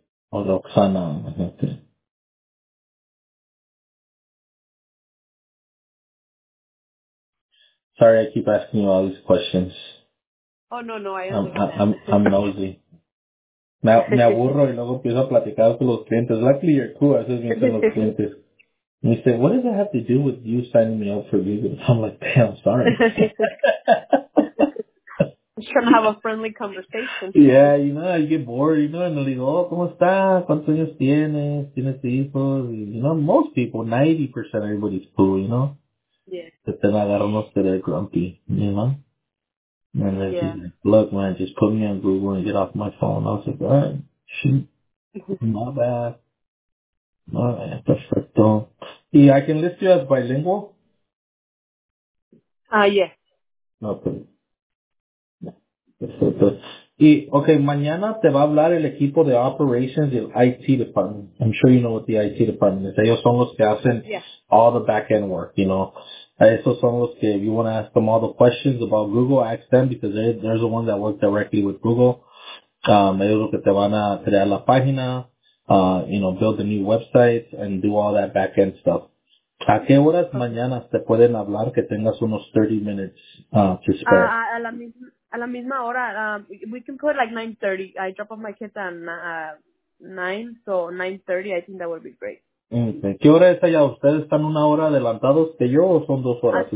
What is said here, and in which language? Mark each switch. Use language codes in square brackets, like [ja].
[en] O Roxana, okay. Sorry, I keep asking you all these questions. Oh, no, no, I'm nosy. [es] Me aburro y luego empiezo a platicar con los clientes. [en] Luckily, you're cool. [es] A veces me dicen los clientes. [en] And you say, what does that have to do with you signing me up for business? I'm like, damn, sorry. Trying to have a friendly conversation. Yeah, you know, I get bored, you know, and they go, oh, [es] ¿cómo estás? ¿Cuántos años tienes? ¿Tienes hijos? [en] Y, you know, most people, 90% of everybody's cool, you know? Yeah. But then I got almost a little grumpy, you know? And yeah. Like, look, man, just put me on Google and get off my phone. I was like, all right, shoot. My bad. All right, perfecto. Y I can list you as bilingual? Yes. Okay. Perfecto. [es] Y, okay, mañana te va a hablar el equipo de operations y el IT department. [en] I'm sure you know what the IT department is. [es] Ellos son los que hacen [en] yeah. all the back-end work, you know. [es] Esos son los que, [en] if you want to ask them all the questions about Google, ask them because they're the ones that work directly with Google. [es] Ellos lo que te van a crear la página, [en] you know, build the new website and do all that back-end stuff. [es] ¿A qué horas mañana te pueden hablar que tengas unos [en] 30 minutes to spare? [es] A la misma hora, [en] we can put like 9:30. I drop off my kids at 9, so 9:30, I think that would be great. [es] Okay. ¿Qué hora es allá? ¿Ustedes están una hora adelantados que yo o son dos horas?